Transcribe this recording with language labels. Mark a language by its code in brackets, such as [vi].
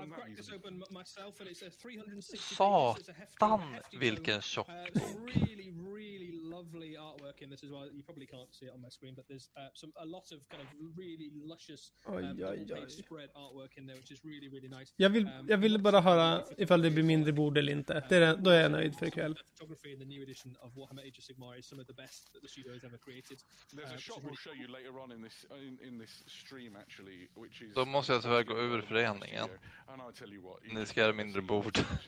[en] I've cracked this open myself, and it's a 360. [sv] Satan, vilken tjock bok. [en] Really, really lovely artwork in this as well. You probably can't see it on my screen, but there's a lot of kind of really luscious spread artwork in there, which is really, really nice. [sv] Jag vill bara höra ifall det blir mindre bord eller inte. Då är jag nöjd för ikväll. [en] The photography in the new edition of Warhammer Age of Sigmar is some of the best that the studio has ever created. There's a shot we'll show you later on in this stream, actually, which is... [sv] Då måste jag tyvärr gå ur föreningen. Ni ska göra mindre bord.